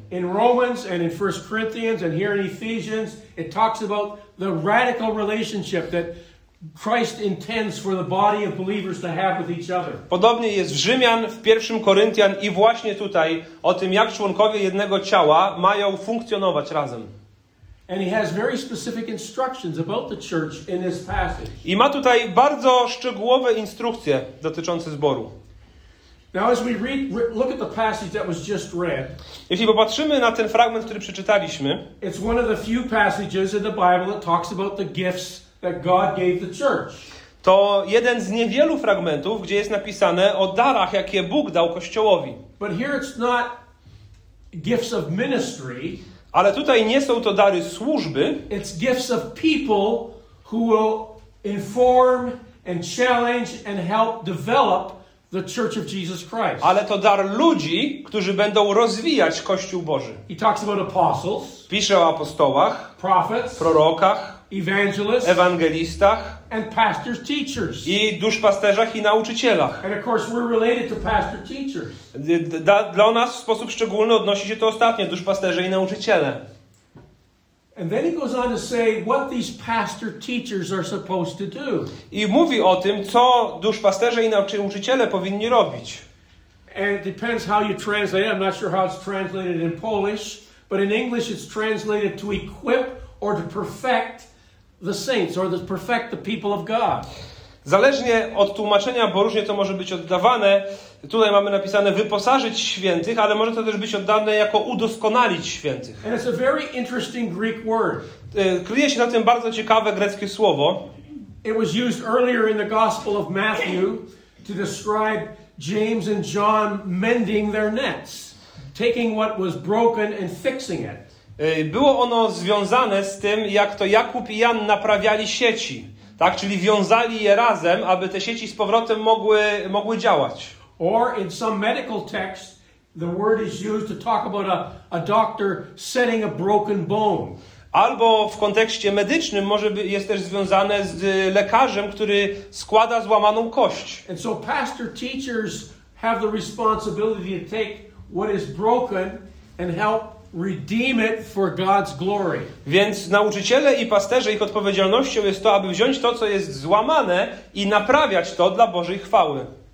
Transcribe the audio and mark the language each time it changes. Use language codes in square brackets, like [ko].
[en] In Romans and in 1 Corinthians and here in Ephesians, it talks about the radical relationship that Christ intends for the body of believers to have with each other. [pl] Podobnie jest w Rzymian, w 1 Koryntian i właśnie tutaj o tym, jak członkowie jednego ciała mają funkcjonować razem. [en] And he has very specific instructions about the church in this passage. [pl] I ma tutaj bardzo szczegółowe instrukcje dotyczące zboru. [en] Now as we read, look at the passage that was just read. [pl] Jeśli popatrzymy na ten fragment, który przeczytaliśmy, [en] it's one of the few passages in the Bible that talks about the gifts that God gave the church. [pl] To jeden z niewielu fragmentów, gdzie jest napisane o darach, jakie Bóg dał Kościołowi. [en] But here it's not gifts of ministry. [pl] Ale tutaj nie są to dary służby. [en] It's gifts of people who will inform and challenge and help develop the Church of Jesus Christ. [pl] Ale to dar ludzi, którzy będą rozwijać Kościół Boży. [en] He talks about apostles, [pl] pisze o apostołach, [en] prophets, [pl] prorokach, [en] evangelists, [pl] ewangelistach, [en] and pastors, teachers. [pl] I duszpasterzach i nauczycielach. [en] And of course we're related to pastor teachers. [pl] Dla nas w sposób szczególny odnosi się to ostatnie, duszpasterze i nauczyciele. [en] And then he goes on to say what these pastor teachers are supposed to do. [pl] I mówi o tym, co duszpasterze i nauczyciele powinni robić. [en] And it depends how you translate it. I'm not sure how it's translated in Polish, but in English it's translated to equip or to perfect the saints or to perfect the people of God. [pl] Zależnie od tłumaczenia, bo różnie to może być oddawane. Tutaj mamy napisane wyposażyć świętych, ale może to też być oddane jako udoskonalić świętych. [en] And it's a very interesting Greek word. [pl] Kryje się na tym bardzo ciekawe greckie słowo. [en] It was used earlier in the Gospel of Matthew to describe James and John mending their nets, taking what was broken and fixing it. [pl] Było ono związane z tym, jak to Jakub i Jan naprawiali sieci. Tak, czyli wiązali je razem, aby te sieci z powrotem mogły działać. [en] Or in some medical text, the word is used to talk about a doctor setting a broken bone. [pl] Albo w kontekście medycznym może jest też związane z lekarzem, który składa złamaną kość. [en] And so pastor teachers have the responsibility to take what is broken and help redeem it for God's glory. [pl] Więc nauczyciele i pasterze, ich odpowiedzialnością jest to, aby wziąć to, co jest złamane i naprawiać to dla Bożej chwały.